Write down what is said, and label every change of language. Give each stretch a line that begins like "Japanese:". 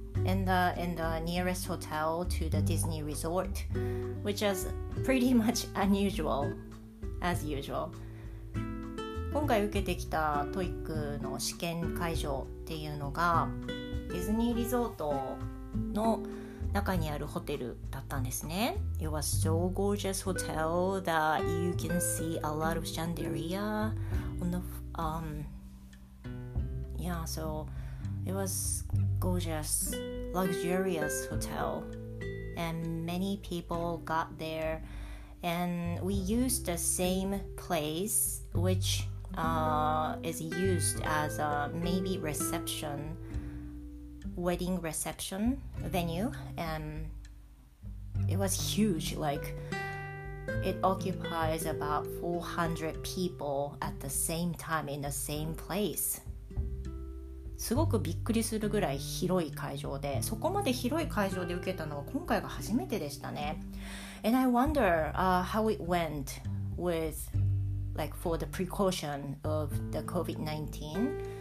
English: in the nearest hotel to the Disney resort, which is pretty much unusual, as usual.
Japanese: 今回受けてきたトイックの試験会場っていうのがディズニーリゾートの中にあるホテルだったんですね。
English: It was so gorgeous hotel that you can see a lot of chandelier on the, yeah, so it was gorgeous, luxurious hotel. And many people got there. And we used the same place, which is used as a maybe reception. Wedding reception venue, and it was huge. Like, it occupies about 400 people at the same time in the same place.
Japanese: すごくびっくりするぐらい広い会場で、そこまで広い会場で受けたのは今回が初めてでしたね。
English: And I wonder, how it went with, like, for the precaution of the COVID-19.